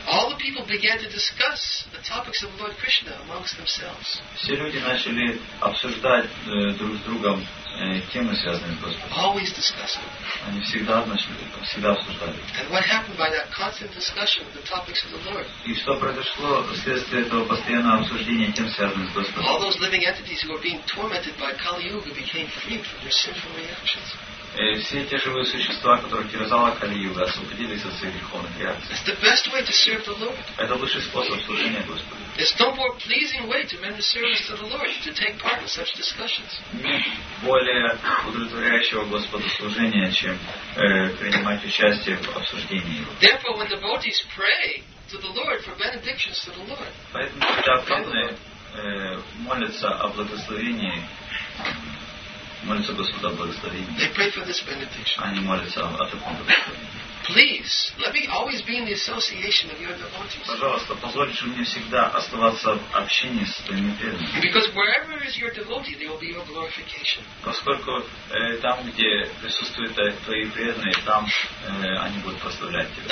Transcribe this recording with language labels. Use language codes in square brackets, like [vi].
[en] All the people began to discuss the topics of Lord Krishna amongst themselves. [ru] Все люди начали обсуждать друг с другом темы, связанные с Господом. [en] Always discussing. [ru] Они всегда начали, всегда обсуждали. [en] And what happened by that constant discussion of the topics of the Lord? [ru] И что произошло вследствие этого постоянного обсуждения тем, связанных с Господом? [en] All those living entities who were being tormented by Kali Yuga became freed from their sinful reactions. [ru] Все те живые существа, которые терзала Кали-Юга, освободились от своих греховных реакций. [en] It's the best way to serve the Lord. [ru] Это лучший способ служения Господу. [en] It's no more pleasing way to render service to the Lord to take part in such discussions. [ru] Более удовлетворяющего Господу служения, чем принимать участие в обсуждении Его. [en] Therefore, when devotees pray to the Lord for benedictions to the Lord. [ru] Поэтому, когда преданные молятся о благословении, молятся Господа благословения. [en] They pray for this benediction. [ru] Они молятся о таком благословении. [en] Please, let me always be in the association of your devotees. [ru] Пожалуйста, позвольте мне всегда оставаться в общении с твоими преданными. [en] Because wherever is your devotee, there will be your glorification. [ru] Поскольку там, где присутствуют твои преданные, там они будут прославлять тебя.